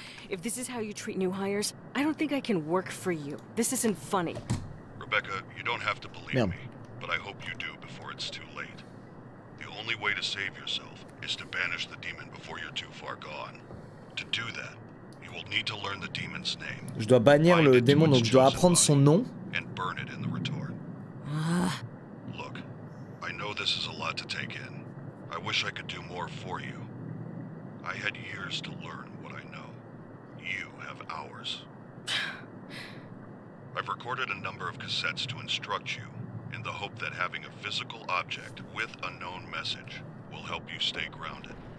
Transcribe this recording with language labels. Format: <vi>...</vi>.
<en>If this is how you treat new hires, I don't think I can work for you. This isn't funny. Rebecca, you don't have to believe me, but I hope you do before it's too late. The only way to save yourself is to banish the demon before you're too far gone. To do that, you will need to learn the demon's name.</en> <fr>Je dois bannir le démon, donc je dois apprendre son nom.</fr> <en>And burn it in the retort. Look, I know this is a lot to take in. I wish I could do more for you. I had years to learn what I know. You have hours. I've recorded a number of cassettes to instruct you, in the hope that having a physical object with a known message will help you stay grounded.</en>